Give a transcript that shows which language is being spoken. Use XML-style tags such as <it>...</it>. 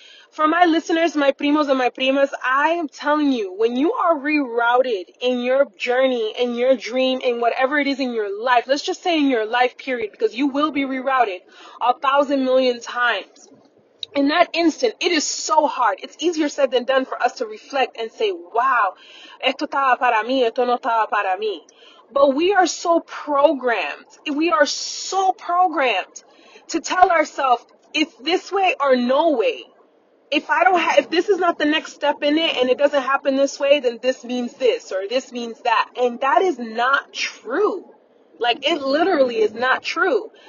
<en>For my listeners, my primos and my primas, I am telling you, when you are rerouted in your journey, in your dream, in whatever it is in your life, let's just say in your life period, because you will be rerouted 1,000,000,000 times. In that instant, it is so hard. It's easier said than done for us to reflect and say, wow,</en> <es>esto estaba para mí, esto no estaba para mí.</es> <en>But we are so programmed. We are so programmed to tell ourselves, it's this way or no way. If this is not the next step in it and it doesn't happen this way, then this means this or this means that. And that is not true. Like, it literally is not true.</en>